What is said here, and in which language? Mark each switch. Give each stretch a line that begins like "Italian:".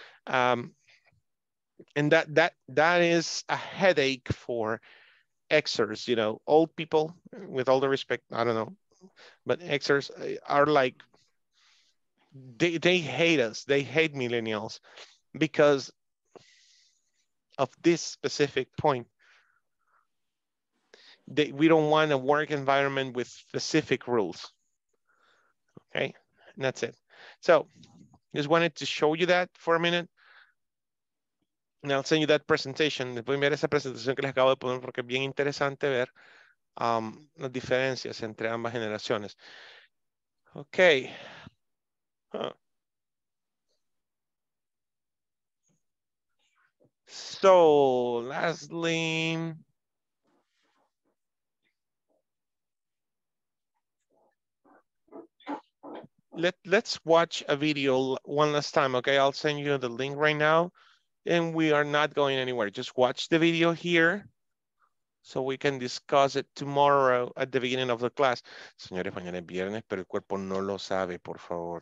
English: And that is a headache for Xers, you know, old people, with all the respect, I don't know, but Xers are like, they hate us, they hate millennials because of this specific point. We don't want a work environment with specific rules. Okay, and that's it. So just wanted to show you that for a minute. Now, I'll send you that presentation.
Spanish: Después mirar esa presentación que les acabo de poner porque es bien interesante ver las diferencias entre ambas generaciones.
English: Okay. Huh. So, lastly, let's watch a video one last time. Okay, I'll send you the link right now. And we are not going anywhere. Just watch the video here so we can discuss it tomorrow at the beginning of the class.
Spanish: Señores, mañana es viernes, pero el cuerpo no lo sabe, por favor.